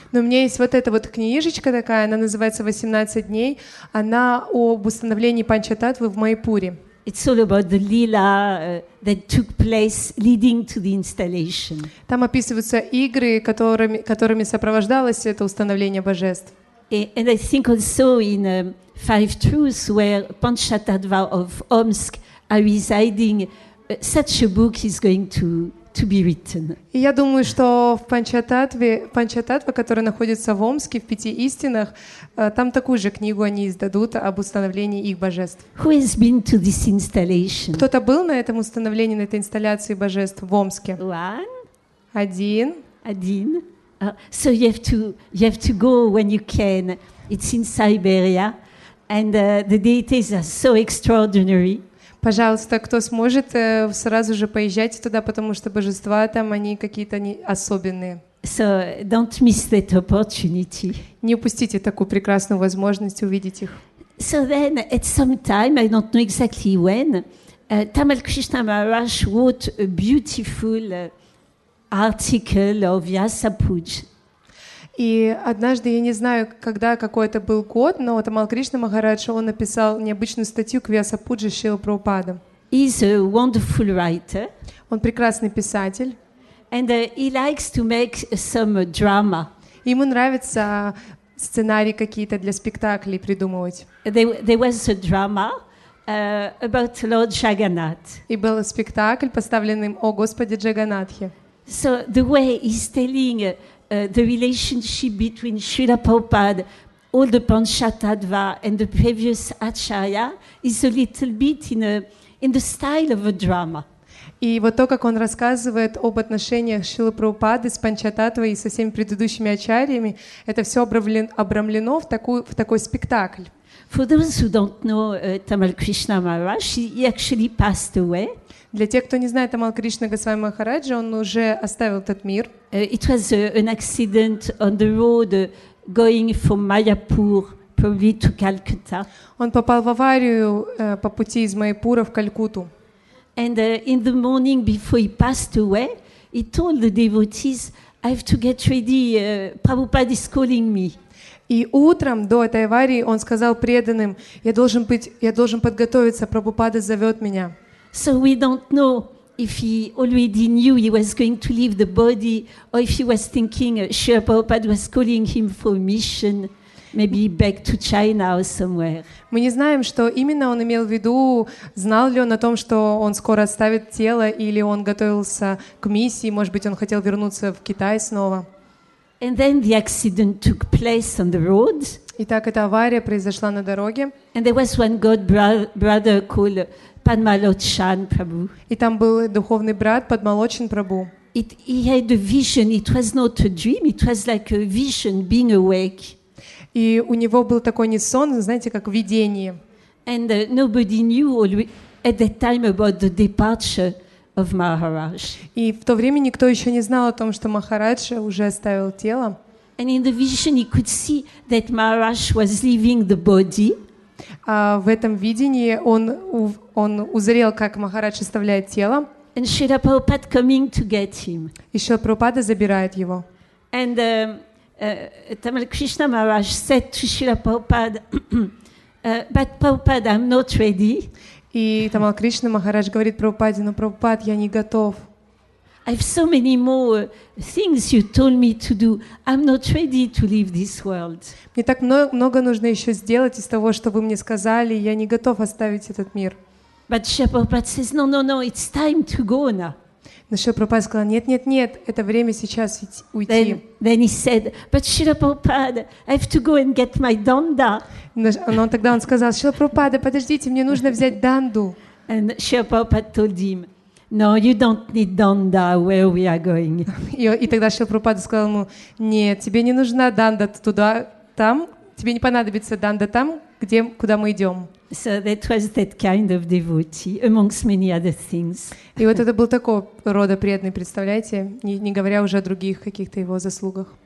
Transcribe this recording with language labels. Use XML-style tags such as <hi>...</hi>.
<ru>Но у меня есть вот эта вот книжечка такая, она называется «18 дней». Она об установлении Панчататвы в Майпуре.</ru> <en>It's all about the lila that took place leading to the installation.</en> <ru>Там описываются игры, которыми сопровождалось это установление божеств.</ru> <en>And I think also in Five Truths, where Panchatattva of Omsk are residing, such a book is going to to be written.</en> <ru>И я думаю, что в Панчататве, которая находится в Омске, в Пяти Истинах, там такую же книгу они издадут об установлении их божеств.</ru> <en>Who has been to this installation?</en> <ru>Кто-то был на этом установлении, на этой инсталляции божеств в Омске?</ru> <en>One.</en> <ru>Один. Один.</ru> <en>So you have to go when you can. It's in Siberia, and the deities are so extraordinary.</en> <ru>Пожалуйста, кто сможет, сразу же поезжайте туда, потому что божества там, они какие-то особенные.</ru> <en>So, don't miss that opportunity.</en> <ru>Не упустите такую прекрасную возможность увидеть их.</ru> <en>So then, at some time, I don't know exactly when, Tamal Krishna Maharaj wrote a beautiful article of Vyasa Puja.</en> <ru>И однажды, я не знаю, когда, какой это был год, но Тамал Кришна Махарадж, он написал необычную статью к Вьясапуджи Шрила Прабхупада.</ru> <en>He's a wonderful writer.</en> <ru>Он прекрасный писатель.</ru> <en>And he likes to make some drama.</en> <ru>Ему нравится сценарии какие-то для спектаклей придумывать.</ru> <en>There was a drama about Lord Jagannath.</en> <ru>И был спектакль, поставленный о Господе Джаганатхе.</ru> <en>So the way he's telling the relationship between Srila Prabhupada, all the Panchatattva and the previous Acharya is a little bit in the style of a drama.</en> <ru>И вот то, как он рассказывает об отношениях Шрилы Прабхупады с Панчататвой и со всеми предыдущими Ачарьями, это все обрамлено в такой спектакль.</ru> <en>For those who don't know Tamal Krishna Maharaj, he actually passed away.</en> <ru>Для тех, кто не знает Тамал Кришна Госвами Махараджа, он уже оставил этот мир.</ru> <en>It was an accident on the road going from Mayapur probably to Calcutta.</en> <ru>Он попал в аварию по пути из Майпура в Калькутту.</ru> <en>And in the morning before he passed away, he told the devotees, I have to get ready, Prabhupada is calling me.</en> <ru>И утром до этой аварии он сказал преданным: я должен подготовиться, Прабхупада зовет меня.</ru> <en>So we don't know if he already knew he was going to leave the body, or if he was thinking Srila Prabhupada was calling him for mission, maybe back to China or somewhere.</en> <ru>Мы не знаем, что именно он имел в виду, знал ли он о том, что он скоро оставит тело, или он готовился к миссии, может быть, он хотел вернуться в Китай снова.</ru> <en>And then the accident took place on the road.</en> <ru>Итак, эта авария произошла на дороге.</ru> <en>And there was one god brother called Padmalochan Prabhu.</en> <ru>И там был духовный брат Padmalochan Prabhu.</ru> <en>He had a vision. It was not a dream. It was like a vision being awake.</en> <ru>И у него был такой не сон, знаете, как видение.</ru> <en>And nobody knew at that time about the departure of Maharaj.</en> <ru>И в то время никто еще не знал о том, что Махарадж уже оставил тело.</ru> <en>And in the vision he could see that Maharaj was leaving the body.</en> <ru>А в этом видении он узрел, как Махарадж оставляет тело.</ru> <en>And Srila Prabhupada coming to get him.</en> <ru>И Шрила Прабхупада забирает его.</ru> <en>And Tamal Krishna Maharaj said to Srila Prabhupada, but Prabhupada, I'm not ready.</en> <ru>И Тамал Кришна Махарадж говорит Прабхупаде: но Прабхупад, я не готов.</ru> <en>I have so many more things you told me to do. I'm not ready to leave this world.</en> <ru>Мне так много нужно еще сделать из того, что вы мне сказали. Я не готов оставить этот мир.</ru> <en>But Shri Prabhupada says, no, it's time to go now.</en> <ru>Но Шри Прабхупада сказал: нет, это время сейчас уйти.</ru> <en>Then he said, but Shri Prabhupada, I have to go and get my danda.</en> <ru>Но тогда он сказал: Шри Прабхупада, подождите, мне нужно взять данду.</ru> <en>And Shri Prabhupada told him, no, you don't need danda where we are going.</en> <ru>И тогда Шри Прабхупада сказал ему: нет, тебе не нужна данда туда, там. Тебе не понадобится данда там, куда мы идем.</ru> <en>So that was that kind of devotee, amongst many other things.</en> <ru>И вот это был такого рода преданный, представляете, не говоря уже о других каких-то его заслугах.</ru>